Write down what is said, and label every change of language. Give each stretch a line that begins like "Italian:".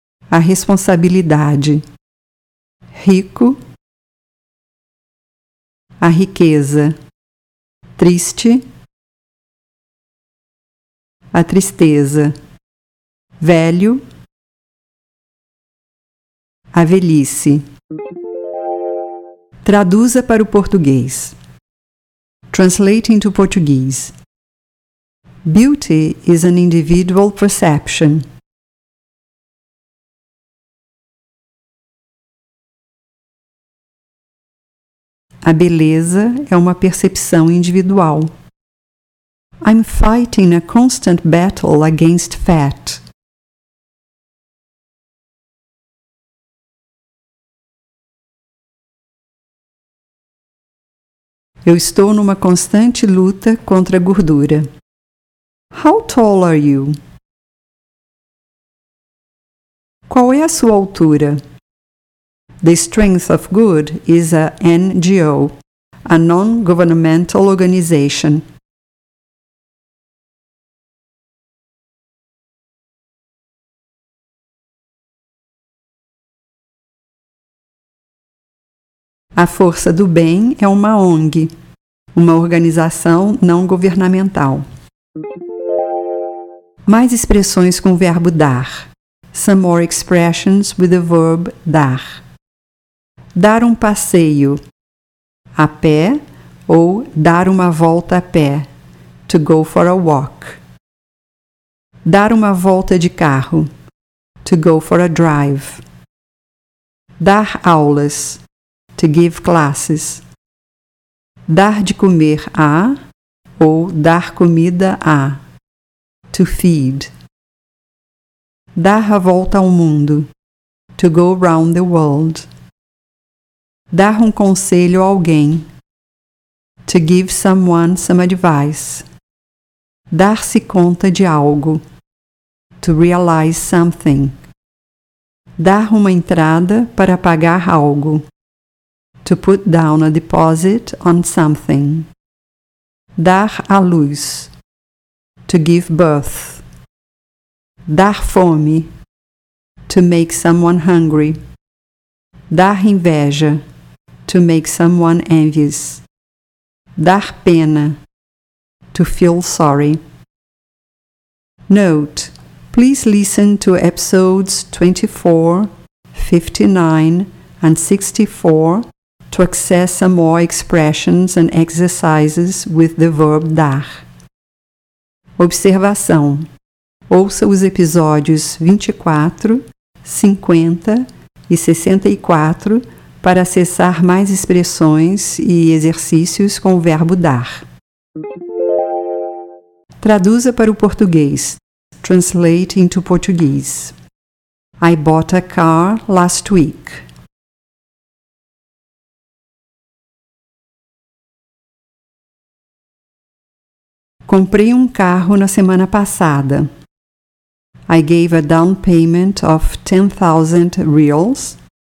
Portuguese: a responsabilidade, rico, a riqueza, triste, a tristeza, velho, a velhice. Traduza para o português.
English: Translate into Portuguese. Beauty is an individual perception.
Portuguese: A beleza é uma percepção individual.
English: I'm fighting a constant battle against fat.
Portuguese: Eu estou numa constante luta contra a gordura.
English: How tall are you?
Portuguese: Qual é a sua altura?
English: The Strength of Good is a NGO, a non-governmental organization.
Portuguese: A Força do Bem é uma ONG, uma organização não governamental. Mais expressões com o verbo dar.
English: Some more expressions with the verb dar.
Portuguese: Dar um passeio a pé ou dar uma volta a pé.
English: To go for a walk.
Portuguese: Dar uma volta de carro.
English: To go for a drive.
Portuguese: Dar aulas.
English: To give classes.
Portuguese: Dar de comer a ou dar comida a.
English: To feed.
Portuguese: Dar a volta ao mundo.
English: To go round the world.
Portuguese: Dar um conselho a alguém.
English: To give someone some advice.
Portuguese: Dar-se conta de algo.
English: To realize something.
Portuguese: Dar uma entrada para pagar algo.
English: To put down a deposit on something.
Portuguese: Dar à luz.
English: To give birth.
Portuguese: Dar fome.
English: To make someone hungry.
Portuguese: Dar inveja.
English: To make someone envious.
Portuguese: Dar pena.
English: To feel sorry. Note, please listen to episodes 24, 59, and 64 to access some more expressions and exercises with the verb dar.
Portuguese: Observação. Ouça os episódios 24, 50 e 64 para acessar mais expressões e exercícios com o verbo dar. Traduza para o português.
English: Translate into português. I bought a car last week.
Portuguese: Comprei um carro na semana passada.
English: I gave a down payment of 10,000 reals.